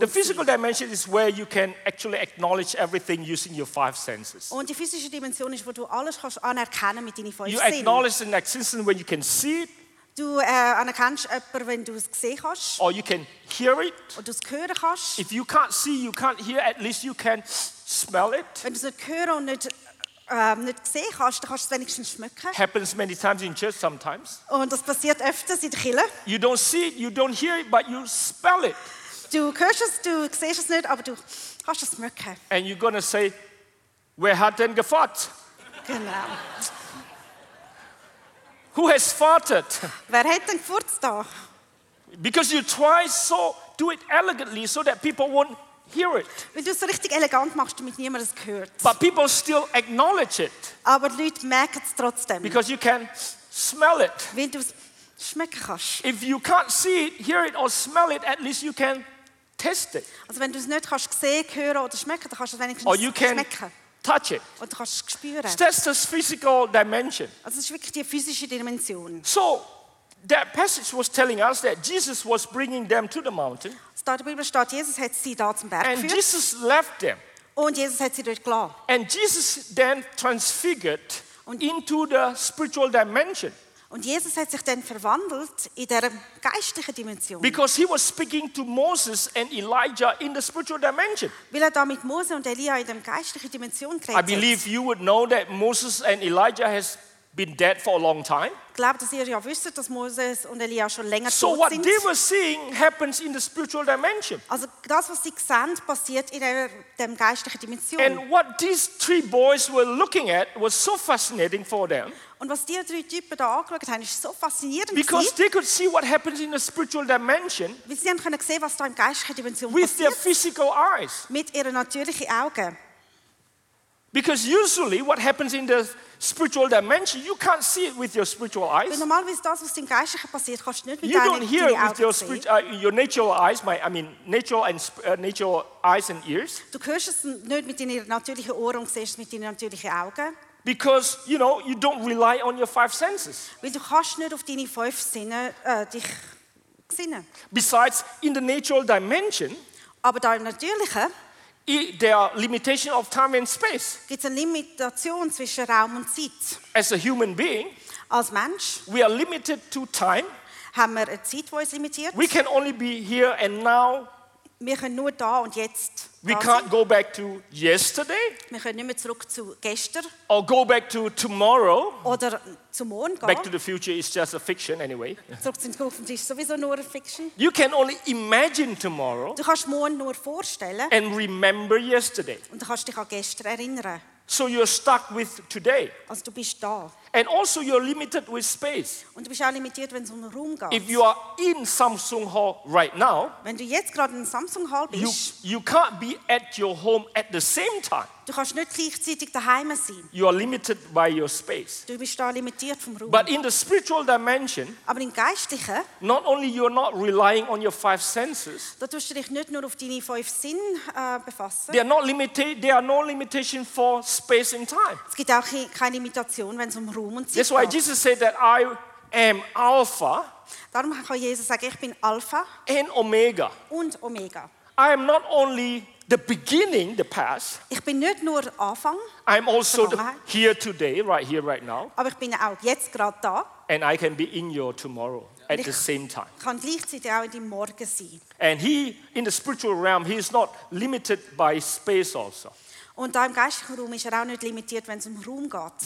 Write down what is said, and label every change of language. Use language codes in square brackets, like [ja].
[en] The physical dimension is where you can actually acknowledge everything using your 5 senses. [de] Und die physische Dimension ist, wo du alles kannst anerkennen mit deinen 5 Sinnen. [en] You acknowledge an existence when you can see it. [de] Du anerkennst jemanden, wenn du es gesehen hast. [en] Or you can hear it. [de] Oder du es hören kannst. [en] If you can't see, you can't hear, at least you can smell it. [de] Wenn du es nicht hören und nicht gesehen kannst, dann kannst du es wenigstens schmecken. [en] Happens many times in church sometimes. [de] Und das passiert öfters in der Kirche. [en] You don't see it, you don't hear it, but you smell it. [de] Du hörst es, du siehst es nicht, aber du kannst es schmecken. [en] And you're going to say, [de] wer hat denn gefahrt? Genau. [en] Who has farted? [de] Wer hat denn gefurzt da? [en] Because you try so, do it elegantly so that people won't hear it. [de] Weil du es so richtig elegant machst, damit niemand es hört. [en] But people still acknowledge it. [de] Aber Leute merken es trotzdem. [en] Because you can smell it. [de] Weil du es schmecken kannst. [en] If you can't see it, hear it or smell it, at least you can taste it. [de] Also wenn du es nicht kannst sehen, hören oder schmecken, dann kannst du es wenigstens schmecken. [en] Or you can touch it. [de] Und du kannst es spüren. [en] That's the physical dimension. [de] Also das ist wirklich die physische Dimension. [en] So, that passage was telling us that Jesus was bringing them to the mountain. [de] Da in der Bibel steht, Jesus hat sie da zum Berg [en] and [de] geführt. [en] And Jesus left them. [de] Und Jesus hat sie dort gelassen. [en] And Jesus then transfigured und into the spiritual dimension. [de] Und Jesus hat sich dann verwandelt in der geistlichen Dimension. [en] Because he was speaking to Moses and Elijah in the spiritual dimension. [de] Weil er da mit Mose und Elia in der geistlichen Dimension geredet hat. [en] I believe you would know that Moses and Elijah has been dead for a long time. [de] Glaubt, dass ihr ja wisst, dass Moses und Elia schon länger so tot sind. [en] So what they were seeing happens in the spiritual dimension. [de] Also das, was sie sehen, passiert in der geistlichen Dimension. [en] And what these three boys were looking at was so fascinating for them. [de] Und was die drei Typen da angeschaut haben, ist so faszinierend. [en] Because they could see what happens in the spiritual dimension. [de] Weil sie haben können sehen, was da im geistlichen Dimension passiert. [en] With their physical eyes. [de] Mit ihren natürlichen Augen. [en] Because usually what happens in the spiritual dimension, you can't see it with your spiritual eyes. [de] Weil normalerweise das, was im geistlichen passiert, kannst du nicht mit deinen Augen sehen. [en] You don't hear it with your natural eyes. Natural eyes and ears. [de] Du hörst es nicht mit deinen natürlichen Ohren und siehst es mit deinen natürlichen Augen. [en] Because, you know, you don't rely on your five senses. [de] Weil du kannst nicht auf deine fünf Sinne, dich sinnen. [en] Besides, in the natural dimension, [de] aber da im natürlichen, [en] there are limitations of time and space. [de] Gibt's eine Limitation zwischen Raum und Zeit. [en] As a human being, [de] als Mensch, [en] we are limited to time. [de] Haben wir eine Zeit, die uns limitiert. [en] We can only be here and now. [de] Wir können nur da und jetzt. [en] We can't go back to yesterday. [de] Wir können nicht mehr zurück zu gestern. [en] Or go back to tomorrow. [de] Oder zum Morgen gehen. [en] Back to the future is just a fiction anyway. [de] Zurück zum Zukunft ist sowieso nur eine Fiction. [en] You can only imagine tomorrow. [de] Du kannst morgen nur vorstellen. [en] And remember yesterday. [de] Und du kannst dich an gestern erinnern. [en] So you're stuck with today. [de] Also du bist da. [en] And also you're limited with space. [de] Und du bist auch limitiert, wenn es um den Raum geht. [en] If you are in Samsung Hall right now, [de] wenn du jetzt gerade in Samsung Hall bist, [en] you can't be at your home at the same time. [de] Du kannst nicht gleichzeitig daheim sein. [en] You are limited by your space. [de] Du bist da limitiert vom Raum. [en] But in the spiritual dimension, [de] aber im geistlichen, [en] not only you are not relying on your five senses, [de] da tust du dich nicht nur auf deine fünf Sinn befassen. [en] There are no limitation for space and time. [de] Es gibt auch keine Limitation, wenn es um Raum und Zeit geht. [en] That's why Jesus said that I am Alpha. [de] Darum kann Jesus sagen, ich bin Alpha [en] and Omega. [de] Und Omega. [en] I am not only the beginning, the past. [de] Ich bin nicht nur Anfang, [en] I'm also here today, right here, right now. [de] Aber ich bin auch jetzt gerade da. [en] And I can be in your tomorrow at the same time. [de] Kann gleichzeitig auch in deinem Morgen sein. [en] And he, in the spiritual realm, he is not limited by space also. [de] Und da im geistlichen Raum ist er auch nicht limitiert, wenn es um Raum geht.